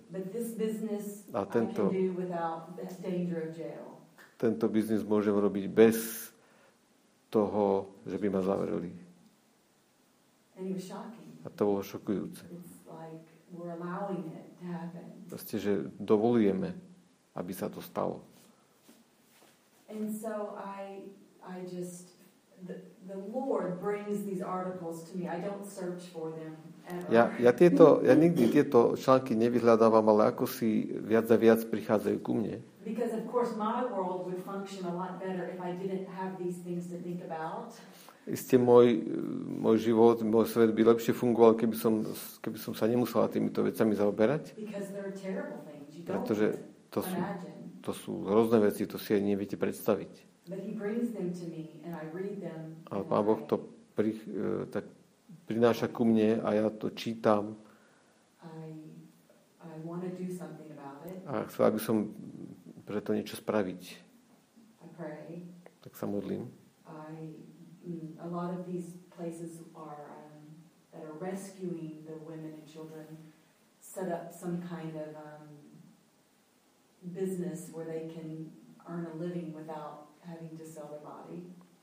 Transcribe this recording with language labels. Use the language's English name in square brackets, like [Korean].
[English] But this business [Slovak] a tento, [English] I can do without the danger of jail. [Slovak] Tento biznis môžem robiť bez toho, že by ma zavreli. [English] And it was shocking. [Slovak] A to bolo šokujúce. [English] Like we're allowing it to happen. [Slovak] Proste, že dovolujeme, aby sa to stalo. [English] And so I just the Lord brings these articles to me. I don't search for them. [Slovak] Ja nikdy tieto články nevyhľadávam, ale ako si viac a viac prichádzajú ku mne. [English] Because of course my world would function a lot better if I didn't have these things to think about. [Slovak] Isté môj život, môj svet by lepšie fungoval, keby som sa nemusela týmito vecami zaoberať. [English] Because they're terrible things. You don't. [Slovak] Pretože to sú hrozné veci, to si ani neviete predstaviť. [English] But he brings them to me and I read them. [Slovak] A Pán Boh to tak prináša ku mne a ja to čítam. [English] I want to do something about it. [Slovak] A chcel by som pre to niečo spraviť. [English] I pray. [Slovak] Tak sa modlím. [English] A lot of these places are that are rescuing the women and children set up some kind of business where they can earn a living without having to sell their body.